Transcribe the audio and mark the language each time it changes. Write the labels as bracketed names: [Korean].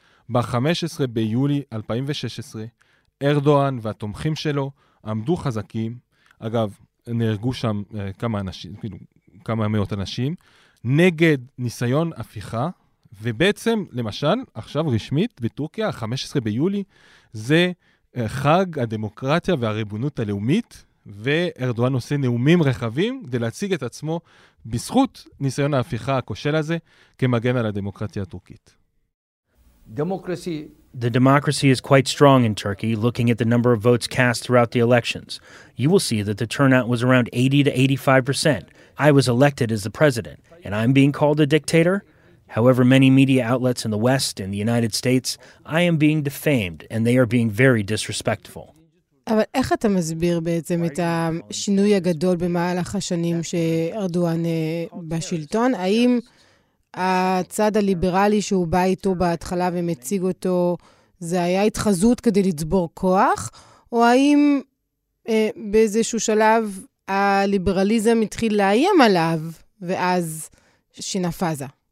[Hebrew] ב-15 ביולי 2016, ארדואן והתומכים שלו עמדו חזקים, אגב, נהרגו שם כמה אנשים, כאילו, כמה מאות אנשים, נגד ניסיון הפיכה, ובעצם, למשל, עכשיו רשמית, בטורקיה, 15 ביולי, זה חג הדמוקרטיה והריבונות הלאומית, וארדואן עושה נאומים רחבים כדי להציג את עצמו בזכות ניסיון ההפיכה הכושל הזה כמגן על הדמוקרטיה הטורקית. [English] Democracy. The democracy is quite strong in Turkey, looking at the number of votes cast throughout the elections. You will see that the turnout was around 80-85%. I was elected as the president, and I'm being called a dictator? However many media outlets in the West and the United States, I am being defamed, and they are being very disrespectful. [Hebrew] אבל איך אתה מסביר בעצם את השינוי הגדול במהלך השנים שארדואן בשלטון? האם הצד הליברלי שהוא בא איתו בהתחלה ומציג אותו, זה היה התחזות כדי לצבור כוח? או האם באיזשהו שלב הליברליזם התחיל לאיים עליו ואז שינפזה?